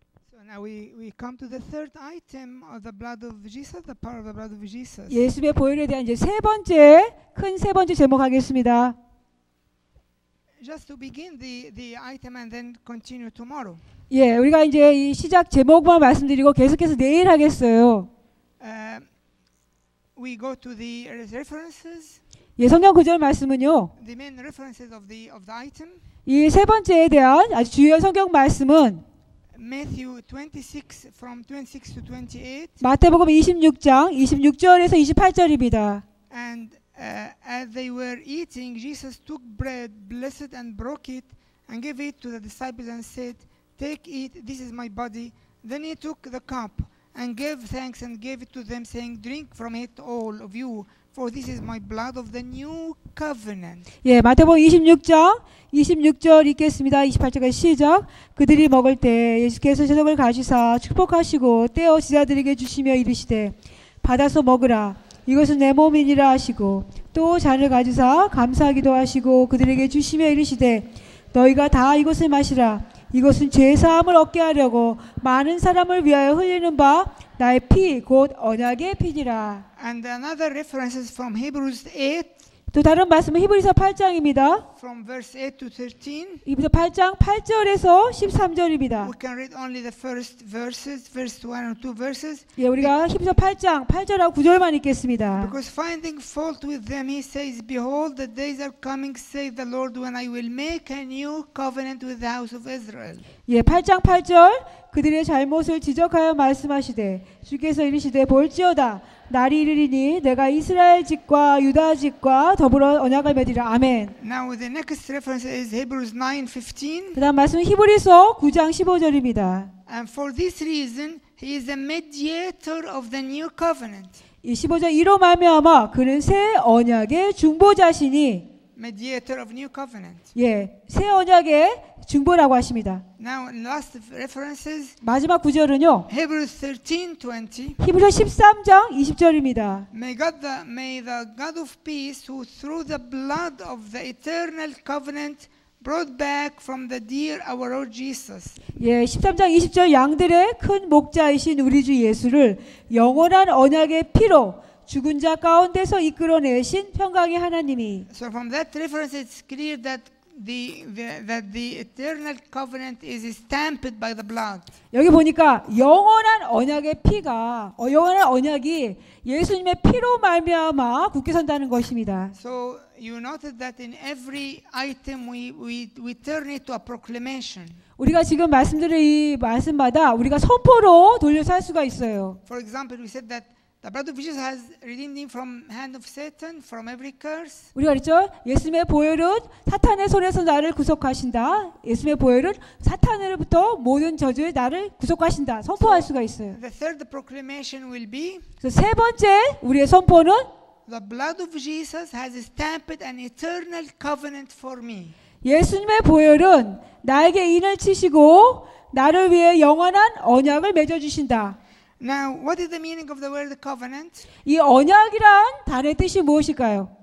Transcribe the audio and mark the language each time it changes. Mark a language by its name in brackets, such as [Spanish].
[English] So now we come to the third item of the blood of Jesus, the power of the blood of Jesus. [Korean] 예수의 보혈에 대한 이제 세 번째 큰 세 번째 제목 하겠습니다. [English] Just to begin the item and then continue tomorrow. [Korean] 예, 우리가 이제 이 시작 제목만 말씀드리고 계속해서 내일 하겠어요. [English] We go to the references. [Korean] 예, 성경 구절 말씀은요. [English] The main references of the item. [Korean] 이 세 번째에 대한 아주 중요한 성경 말씀은 [English] Matthew 26 from 26 to 28. [Korean] 마태복음 26장 26절에서 28절입니다. [English] And as they were eating, Jesus took bread, blessed and broke it, and gave it to the disciples and said, "Take it, this is my body." Then he took the cup and gave thanks and gave it to them, saying, "Drink from it, all of you, for this is my blood of the new covenant." [Korean] 예, 마태복음 26장 26절 읽겠습니다. 28절까지 시작. 그들이 먹을 때 예수께서 제독을 가지사 축복하시고 떼어 제자들에게 주시며 이르시되 받아서 먹으라. 이것은 내 몸이니라 하시고 또 잔을 가지사 감사하기도 하시고 그들에게 주시며 이르시되 너희가 다 이것을 마시라 이것은 죄사함을 얻게 하려고 많은 사람을 위하여 흘리는 바 나의 피 곧 언약의 피니라. [English] And another reference is from Hebrews 8. [Korean] 또 다른 말씀은 히브리서 8장입니다. [English] From verse 8 to 13. [Korean] 히브리서 8장 8절에서 13절입니다. [English] We can read only the first verses, verse 1 or 2 verses. [Korean] 예, 우리가 히브리서 8장 8절하고 9절만 읽겠습니다. [English] Because finding fault with them, he says, "Behold, the days are coming, saith the Lord, when I will make a new covenant with the house of Israel." [Korean] 예, 8장 8절 그들의 잘못을 지적하여 말씀하시되 주께서 이르시되 볼지어다. 날이 이르리니 내가 이스라엘 집과 유다 집과 더불어 언약을 맺으리라. 아멘. [English] Now the next reference is Hebrews 9:15. [Korean] 그다음 말씀은 히브리서 9장 15절입니다. [English] And for this reason he is the mediator of the new covenant. [Korean] 이 15절 이로 말미암아 그는 새 언약의 중보자시니 [English] mediator of new covenant. [Korean] 예. 새 언약의 중보라고 하십니다. [English] Now last references. [Korean] 마지막 구절은요. [English] Hebrews 13:20. [Korean] 히브리서 13장 20절입니다. [English] May the God of peace who through the blood of the eternal covenant brought back from the dear our Lord Jesus. [Korean] 예, 13장 20절 양들의 큰 목자이신 우리 주 예수를 영원한 언약의 피로 죽은 자 가운데서 이끌어내신 평강의 하나님이. [English] So from that reference it's clear that the eternal covenant is stamped by the blood. [Korean] 여기 보니까 영원한 언약의 피가 영원한 언약이 예수님의 피로 말미암아 굳게 선다는 것입니다. [English] So you noted that in every item we turn it to a proclamation. [Korean] 우리가 지금 말씀드린 이 말씀마다 우리가 선포로 돌려서 할 수가 있어요. [English] For example, we said that The blood of Jesus has redeemed him from hand of Satan, from every curse. [Korean] 우리가 그랬죠? 예수님의 보혈은 사탄의 손에서 나를 구속하신다. 예수님의 보혈은 사탄으로부터 모든 저주의 나를 구속하신다. 선포할 수가 있어요. [English] The third proclamation will be. [Korean] 그래서 세 번째 우리의 선포는 [English] The blood of Jesus has stamped an eternal covenant for me. [Korean] 예수님의 보혈은 나에게 인을 치시고 나를 위해 영원한 언약을 맺어 주신다. [English] Now, what is the meaning of the word covenant? [Korean] 이 언약이란 단어의 뜻이 무엇일까요?